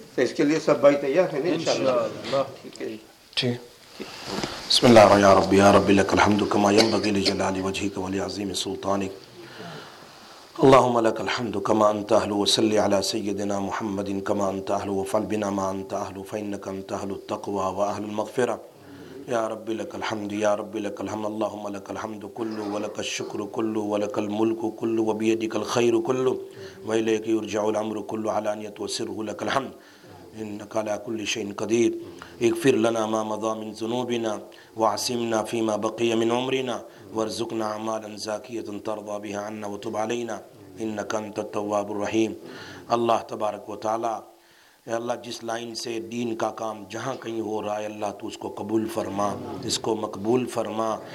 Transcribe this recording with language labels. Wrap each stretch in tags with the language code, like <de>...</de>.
<ur>تو اس کے لیے سب بھائی تیار ہیں نا ان شاء اللہ. ٹھیک ہے, ٹھیک. بسم اللہ الرحمن الرحیم.</ur> <ar>رب یا رب لك الحمد كما ينبغي لجلال وجهك ولعظيم سلطانك, اللهم لك الحمد كما انت اهل, وصل على سيدنا محمد كما انت اهل, وفعل بنا ما انت اهل, فانك انت اهل التقوى واهل المغفره. يا رب لك الحمد, يا رب لك الحمد, اللهم لك الحمد كله ولك الشكر كله ولك الملك كله وبيدك الخير كله واليك يرجع الامر كله, على ان يتوسره لك الحمد انك على كل شيء قدير. اغفر لنا ما مضى من ذنوبنا, واعصمنا فيما بقي من عمرنا, وارزقنا اعمالا زاكيه ترضى بها عنا, وتب علينا انك انت التواب الرحيم. الله تبارك وتعالى,</ar> <ur>اے اللہ جس لائن سے دین کا کام جہاں کہیں ہو رہا ہے اللہ تو اس کو قبول فرما, اس کو مقبول فرما.</ur>